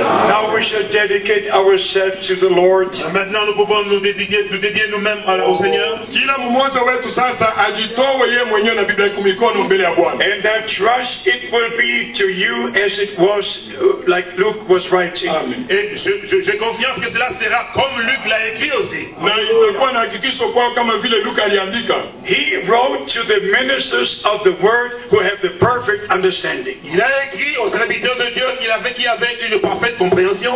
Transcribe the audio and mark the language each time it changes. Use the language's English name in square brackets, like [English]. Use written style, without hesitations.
[English] Now we shall dedicate ourselves to the Lord. [French] Maintenant nous pouvons nous dédier nous-mêmes au Seigneur. [Swahili] Kila mmoja wetu sasa ajitoe yeye mwenyewe na Biblia kumikono mbele ya Bwana. [English] And I trust it will be to you as it was like Luke was writing. Amen. [French] Et j'ai confiance que cela sera comme Luke l'a écrit aussi. [Swahili] Na itakuwa na hakikisho kwa kama vile Luke aliandika. [English] He wrote to the ministers of the word who have the perfect understanding. [French] Il a écrit aux serviteurs de Dieu qui avaient une parfaite compréhension.